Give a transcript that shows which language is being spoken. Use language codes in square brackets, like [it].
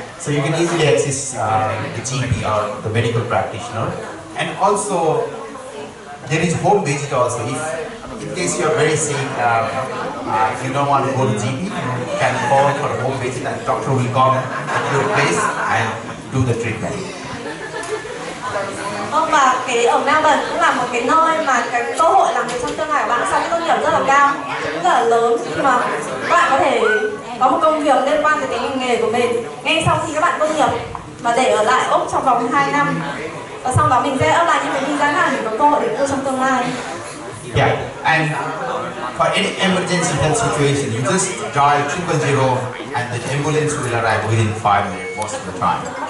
[en] So you can easily access the GP or the medical practitioner. And also, there is home visit also. If in case you are very sick, you don't want to go to GP, you can call for a home visit and the doctor will come at your place and do the treatment. [vi] Vâng, và cái ở Melbourne cũng là một cái nơi mà cái cơ hội làm việc trong tương lai của bạn sau khi tốt nghiệp rất là cao, cũng rất là lớn khi mà bạn có thể có một công việc liên quan tới cái ngành nghề của mình ngay sau khi các bạn tốt nghiệp và để ở lại Úc trong vòng 2 năm và sau đó mình sẽ ở lại những cái visa khác để có cơ hội để vô trong tương lai. [en] Yeah, and for any emergency health situation, you just dial 000 and the ambulance will arrive within 5 minutes most of the time.